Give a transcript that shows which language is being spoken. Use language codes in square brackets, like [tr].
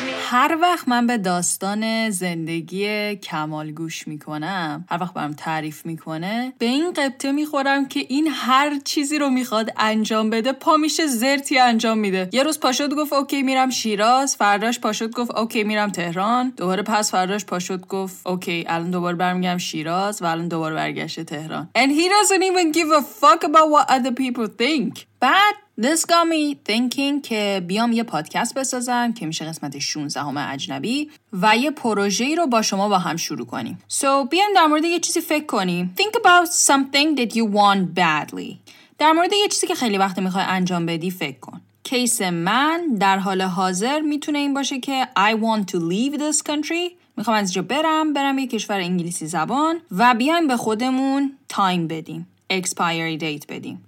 [fa] هر وقت من به داستان زندگی کمال گوش میکنم، هر وقت برام تعریف میکنه، به این قبطه میخورم که این هر چیزی رو میخواد انجام بده پا میشه زرتی انجام میده. یه روز پاشد گفت اوکی میرم شیراز، فرداش پاشد گفت اوکی میرم تهران، دوباره پس فرداش پاشد گفت اوکی الان دوباره برمیگم شیراز و الان دوباره برگشته تهران. [en] And he doesn't even give a fuck about what other people think. [fa] بعد [en] This got me thinking [fa] که بیام یه پادکست بسازم که میشه قسمت 16 همه اجنبی، و یه پروژه‌ای رو با شما با هم شروع کنیم. So بیام در مورد یه چیزی فکر کنیم. [en] Think about something that you want badly. [fa] در مورد یه چیزی که خیلی وقت میخوای انجام بدی فکر کن. کیس من در حال حاضر میتونه این باشه که [en] I want to leave this country. [fa] میخوام از اینجا برم یه کشور انگلیسی زبان، و بیام به خودمون تایم بدیم، expiry date بدیم.